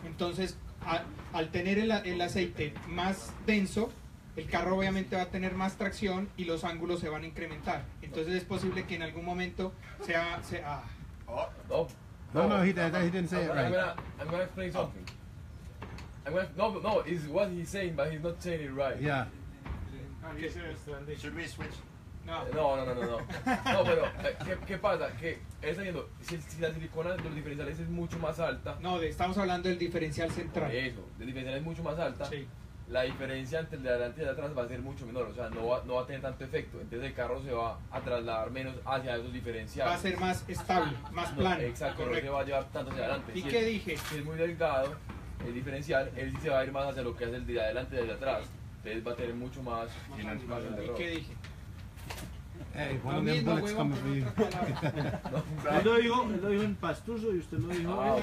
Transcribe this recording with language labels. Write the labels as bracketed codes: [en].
[es] Entonces, al tener el aceite más denso, el carro obviamente va a tener más tracción y los ángulos se van a incrementar. Entonces es posible que en algún momento sea [en] No, he didn't say it right. I'm gonna explain something. It's what he's saying, but he's not saying it right. Yeah. Should we switch? [es] No. No, pero, ¿qué pasa? Que está diciendo, si la silicona de los diferenciales es mucho más alta. No, estamos hablando del diferencial central. Eso, el diferencial es mucho más alta. Sí. La diferencia entre el de adelante y el de atrás va a ser mucho menor. O sea, no va a tener tanto efecto. Entonces el carro se va a trasladar menos hacia esos diferenciales. Va a ser más estable, más plano. Exacto, no se va a llevar tanto hacia adelante. ¿Y qué dije? Si es muy delgado el diferencial, él sí se va a ir más hacia lo que es el de adelante y el de atrás. Entonces va a tener mucho más. ¿Y qué dije? [en] Hey, one of them bullets coming for you. [es] Él lo dijo en pastuso y usted lo dijo.